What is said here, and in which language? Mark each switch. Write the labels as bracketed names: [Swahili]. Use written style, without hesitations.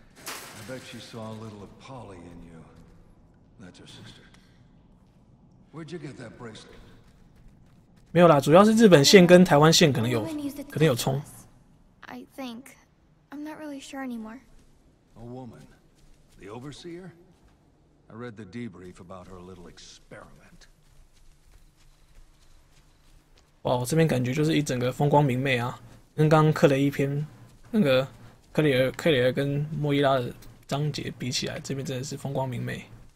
[English] I bet she saw a little of Polly in you. That's her sister. Where'd you get that bracelet? [Chinese] 没有啦，主要是日本线跟台湾线可能有，可能有冲。 [English] I think I'm not really sure anymore. A woman, the overseer. I read the debrief about her little experiment. [Chinese] 哇，我这边感觉就是一整个风光明媚啊，跟刚刚克雷一篇那个克里尔跟莫伊拉的章节比起来，这边真的是风光明媚。